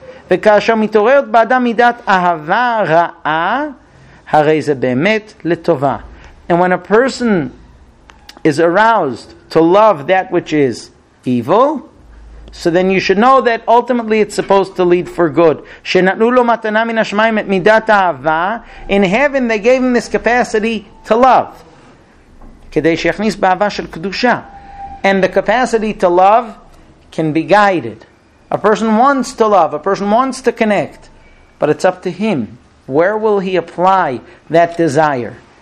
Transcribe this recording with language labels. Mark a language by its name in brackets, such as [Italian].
[Hebrew] וכאשר מתעוררת באדם מידת אהבה רעה, הרי זה באמת לטובה. [English] And when a person is aroused to love that which is evil, so then you should know that ultimately it's supposed to lead for good. [Hebrew] שנתנו לו מתנה מן השמיים את מידת אהבה, [English] in heaven they gave him this capacity to love. [Hebrew] כדי שיכניס באהבה של קדושה. [English] And the capacity to love can be guided. A person wants to love, a person wants to connect, but it's up to him. Where will he apply that desire?